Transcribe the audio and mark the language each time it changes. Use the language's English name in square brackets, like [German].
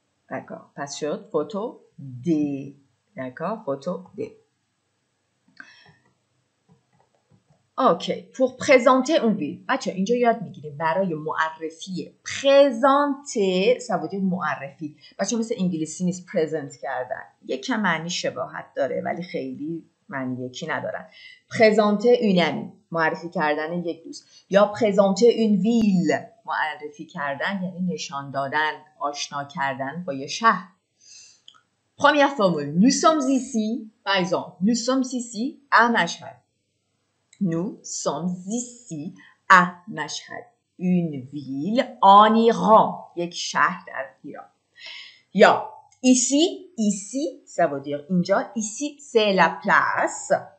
[French] D'accord. Pas sûr. Photo D. D'accord. Photo D. OK. Pour présenter une ville. Ah, tiens, je vais vous dire [Persian] برای معرفی. [French] Présenter, ça veut dire معرفی. [Persian] بچه مثل انگلیسی نیست present کردن. یک کم معنی شباهت داره ولی خیلی معنی یکی ندارن. [French] Présenter une amie. [Persian] معرفی کردن یک دوست. یا [French] présenter une ville. [Persian] معرفی کردن یعنی نشان دادن، آشنا کردن با یه شهر. [French] Première formule, nous sommes ici, par exemple, nous sommes ici à Mashhad. Nous sommes ici à Mashhad, une ville en Iran. [Persian] Yek shahr dar Iran. Ya, [French] ici, ça veut dire inja, ici c'est la place.